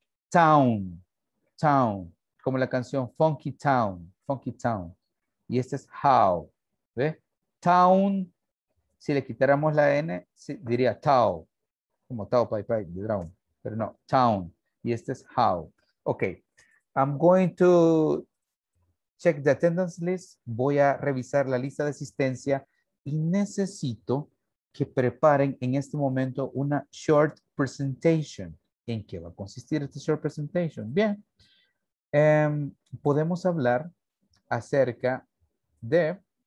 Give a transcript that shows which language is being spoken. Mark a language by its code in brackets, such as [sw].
[es] Town. Como la canción Funky Town. Y este es how. ¿Ve? Town. Si le quitáramos la N, diría Tao, como Tao Pai Pai de Dragon, pero no, Town. Y este es How. [en] Ok, I'm going to check the attendance list. [es] Voy a revisar la lista de asistencia y necesito que preparen en este momento una [en] short presentation. [es] ¿En qué va a consistir esta [en] short presentation? [es] Bien, podemos hablar acerca de...